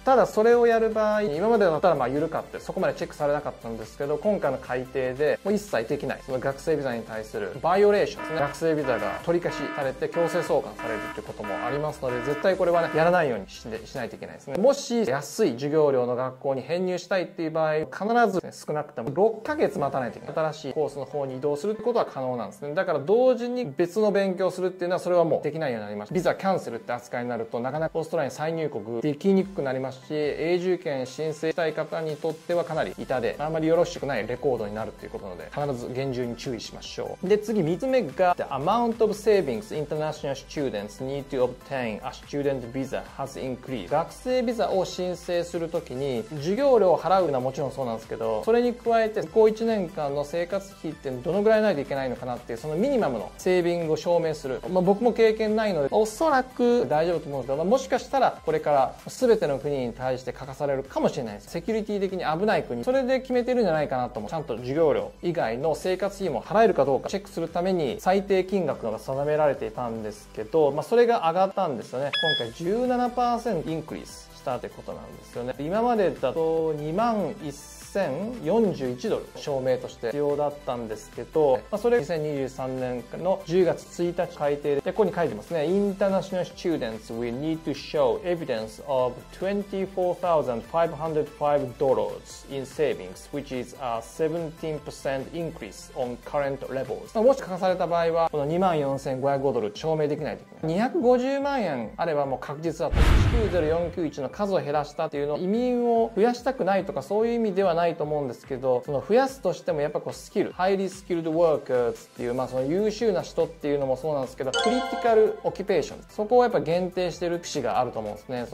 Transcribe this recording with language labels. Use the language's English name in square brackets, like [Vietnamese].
[Japanese] ただそれをやる場合、今までだったらまあ緩かってそこまでチェックされなかったんですけど、今回の改定でもう一切できない、その学生ビザに対するバイオレーションですね、学生ビザが取り消しされて強制送還されるってこともありますので、絶対これはねやらないように しないといけないですね。もし安い授業料の学校に編入したいっていう場合、必ず、ね、少なくても6ヶ月待たないといけない、新しいコースの方に移動するってことは可能なんですね。だから同時に別の勉強するっていうのは、それはもうできないようになりました。ビザキャンセルって扱いになると、なかなかオーストラリアに再入国できにくくなりますし、永住権申請したい方にとってはかなり痛で、あんまりよろしくないレコードになるっていうことなので、必ず厳重に注意してしましょう。で次3つ目が [English] The amount of savings international students need to obtain a student visa has increased。 [Japanese] 学生ビザを申請するときに授業料を払うのはもちろんそうなんですけど、それに加えて高1年間の生活費ってどのぐらいないといけないのかなっていう、そのミニマムのセービングを証明する、まあ、僕も経験ないのでおそらく大丈夫と思うんですけど、まあ、もしかしたらこれから全ての国に対して欠かされるかもしれないです。セキュリティ的に危ない国、それで決めてるんじゃないかなと思う。ちゃんと授業料以外の生活費も払えるかどうかチェックするために最低金額が定められていたんですけど、まあ、それが上がったんですよね。今回 17% インクリースしたってことなんですよね。今までだと21,041ドル証明として必要だったんですけど、まあ、それ2023年の10月1日改定 でここに書いてますね。 [English] International students will need to show evidence of $24,505 in savings, which is a 17% increase on current levels。 [Japanese] もし欠かされた場合はこの 24,505 ドル証明できないといけない。 250万円あればもう確実だと。190491の数を減らしたっていうのは移民を増やしたくないとかそういう意味ではないと思うんですけど、その増やすとしてもやっぱこうスキル、 [English] Highly skilled workers [Japanese] っていう、まあ、その優秀な人っていうのもそうなんですけど、クリティカルオキュペーション、そこをやっぱ限定してる節があると思うんですね。